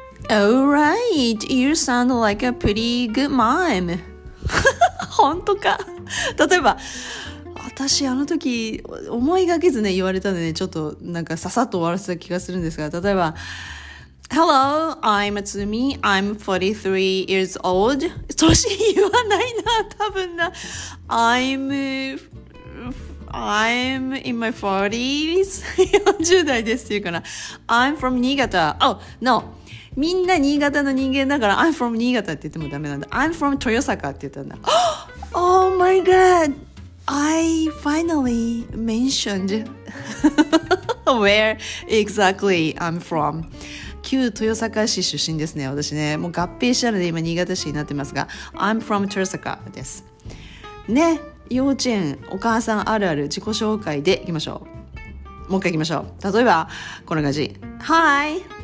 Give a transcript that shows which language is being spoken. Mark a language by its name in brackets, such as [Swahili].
[English] Alright, you sound like a pretty good mom. [Japanese] 本当か。例えば、私あの時思いがけずね言われたので、ね、ちょっとなんかささっと終わらせた気がするんですが、例えば、 [English] Hello, I'm Atsumi. I'm 43 years old. [Japanese] 年言わないな、多分な。 [English] I'm in my 40s. [Japanese] 40代ですって言うかな。 [English] I'm from 新潟。 Oh, no. [Japanese] みんな新潟の人間だから [English] I'm from [Japanese] 新潟って言ってもダメなんだ。 [English] I'm from [Japanese] 豊坂って言ったんだ。 [English] Oh my god, I finally mentioned where exactly I'm from. [Japanese] 旧豊坂市出身ですね、私ね。もう合併したので今新潟市になってますが、 [English] I'm from [Japanese] 豊坂です。ね、幼稚園お母さんあるある自己紹介でいきましょう。もう一回いきましょう。例えばこんな感じ。 [English] Hi